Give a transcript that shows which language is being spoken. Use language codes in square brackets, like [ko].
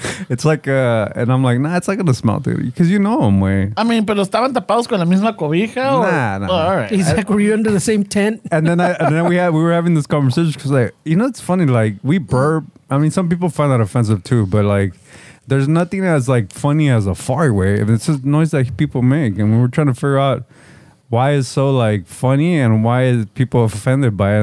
[en] It's like, and I'm like, nah, it's not going to smell, dude. Because you know him, way. I mean, [es] pero estaban tapados con la misma cobija? [en] Nah, or? Nah. Oh, all right. He's like, were you under the same tent? And then we were having this conversation because, like, you know, it's funny, like, we burp. I mean, some people find that offensive too, but like, there's nothing as like funny as a fart, way. It's just noise that people make. And we were trying to figure out why it's so like funny and why is people offended by it.